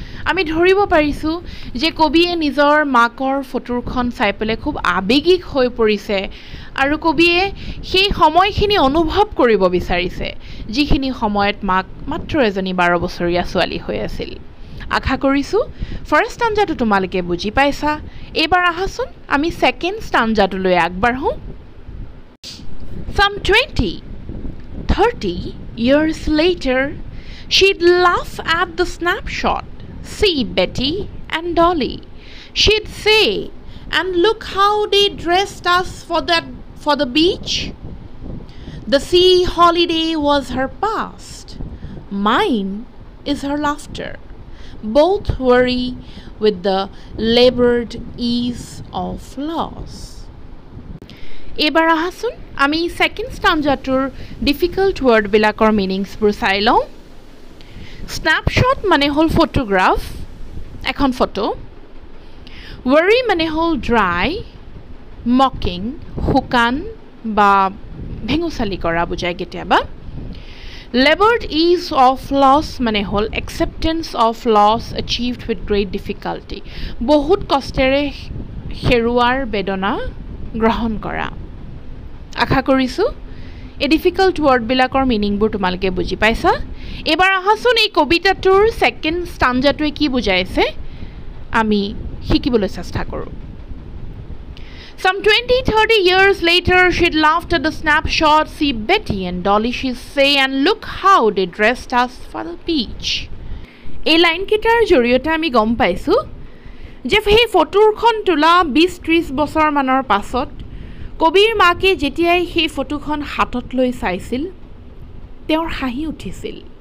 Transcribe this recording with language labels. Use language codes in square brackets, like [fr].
[as] আমি ধৰিব পাৰিছোঁ যে কবিয়ে নিজৰ মাকৰ ফটোখন চাই পেলাই খুব আৱেগিক হৈ পৰিছে আৰু কবিয়ে সেই সময়খিনি অনুভৱ কৰিব বিচাৰিছে, যিখিনি সময়ত মাক মাত্ৰ এজনী 12 বছৰীয়া ছোৱালী হৈ আছিল। আশা কৰিছোঁ ফাৰ্ষ্ট আঞ্জাটো তোমালোকে বুজি পাইছা। এইবাৰ আহাচোন আমি second আঞ্জাটোলৈ আগবাঢ়ো। [en] Some 20-30 years later, she'd laugh at the snapshot, see Betty and Dolly. She'd say, and look how they dressed us for the beach. The sea holiday was her past. Mine is her laughter. Both worry with the labored ease of loss. [as] এইবাৰ আহাচোন আমি second স্টাঞ্জাটোৰ difficult ৱৰ্ডবিলাকৰ মিনিংছবোৰ চাই লওঁ। Snapshot মানে হ'ল photograph, এখন photo. Worry মানে হ'ল [en] dry, mocking, [as] শুকান বা ভেঙুচালি কৰা বুজায় কেতিয়াবা। [en] laboured is of loss [as] মানে হ'ল [en] acceptance of loss achieved with great difficulty, [as] বহুত কষ্টেৰে হেৰুৱাৰ বেদনা গ্ৰহণ কৰা। আশা কৰিছোঁ এই ডিফিকাল্ট ৱৰ্ডবিলাকৰ মিনিংবোৰ তোমালোকে বুজি পাইছা। এইবাৰ আহাচোন এই কবিতাটোৰ ছেকেণ্ড স্টাঞ্জাটোৱে কি বুজাইছে আমি শিকিবলৈ চেষ্টা কৰোঁ। [en] Some 20-30 years later, she'd laughed at the snapshot, see Betty and Dolly, she'd say, and look how they dressed us for the beach. [as] এই লাইনকেইটাৰ জৰিয়তে আমি গম পাইছোঁ যে সেই ফটোখন তোলা 20-30 বছৰমানৰ পাছত কবিৰ মাকে যেতিয়াই সেই ফটোখন হাতত লৈ চাইছিল, তেওঁৰ হাঁহি উঠিছিল।